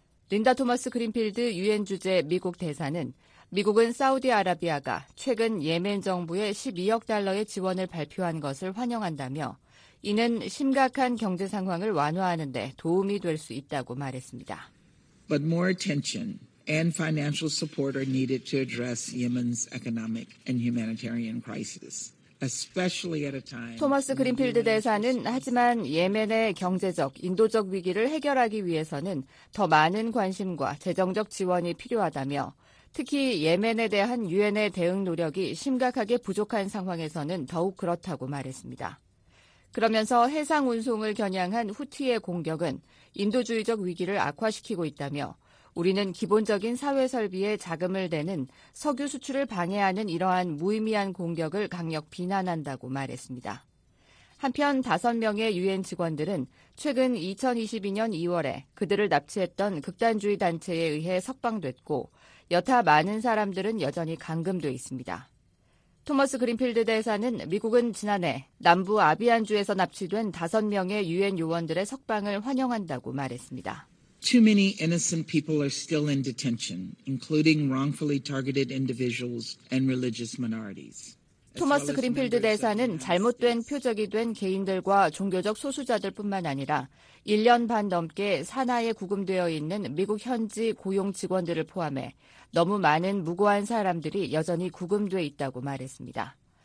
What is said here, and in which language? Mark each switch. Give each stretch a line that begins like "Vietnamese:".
Korean: 린다 토마스 그린필드 유엔 주재 미국 대사는 미국은 사우디아라비아가 최근 예멘 정부에 12억 달러의 지원을 발표한 것을 환영한다며 이는 심각한 경제 상황을 완화하는 데 도움이 될 수 있다고 말했습니다.
English: But more attention and financial support are needed to address Yemen's economic and humanitarian crisis.
Korean: 토마스 그린필드 대사는 하지만 예멘의 경제적, 인도적 위기를 해결하기 위해서는 더 많은 관심과 재정적 지원이 필요하다며 특히 예멘에 대한 유엔의 대응 노력이 심각하게 부족한 상황에서는 더욱 그렇다고 말했습니다. 그러면서 해상 운송을 겨냥한 후티의 공격은 인도주의적 위기를 악화시키고 있다며 우리는 기본적인 사회 설비에 자금을 대는 석유 수출을 방해하는 이러한 무의미한 공격을 강력 비난한다고 말했습니다. 한편 5명의 유엔 직원들은 최근 2022년 2월에 그들을 납치했던 극단주의 단체에 의해 석방됐고 여타 많은 사람들은 여전히 감금돼 있습니다. 토머스 그린필드 대사는 미국은 지난해 남부 아비안주에서 납치된 5명의 유엔 요원들의 석방을 환영한다고 말했습니다.
English: Too many innocent people are still in detention, including wrongfully targeted individuals and religious minorities.
Korean: 토마스 그린필드 대사는 잘못된 표적이 된 개인들과 종교적 소수자들뿐만 아니라 1년 반 넘게 산하에 구금되어 있는 미국 현지 고용 직원들을 포함해 너무 많은 무고한 사람들이 여전히 구금돼 있다고 말했습니다.